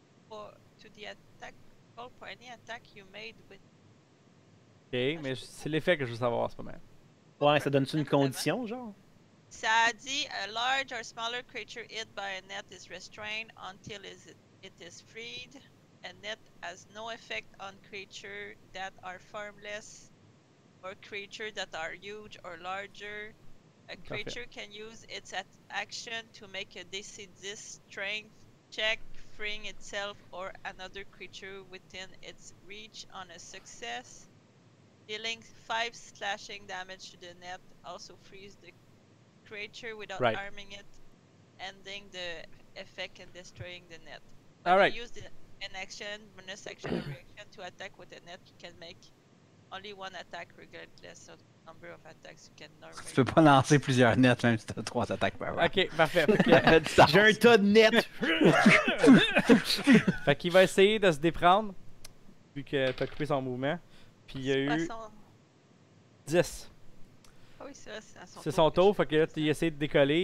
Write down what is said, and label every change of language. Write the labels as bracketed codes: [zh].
[en] Or to the attack roll for any attack you made with. [fr] Ok, mais c'est l'effet que je veux savoir, c'est pas mal. Ouais, ça donne-tu une condition, genre? Ça dit, [en] a large or smaller creature hit by a net is restrained until it is freed. a net has no effect on creatures that are farmless or creatures that are huge or larger. A creature can use its action to make a DC strength check, freeing itself or another creature within its reach on a success. Dealing 5 slashing damage to the net also frees the creature without harming it, ending the effect and destroying the net. Alright. Use an action, bonus action, or reaction to attack with the net. You can make only one attack regardless of the number of attacks you can normally. [fr] Tu peux pas lancer plusieurs nets même si t'as 3 attaques par round. Ok, parfait. J'ai un tas de nets. Fait qu'il va essayer de se déprendre vu que t'as coupé son mouvement. Puis il y a eu 10. Ah oui, c'est son tour. Fait que là, il essaie de décoller.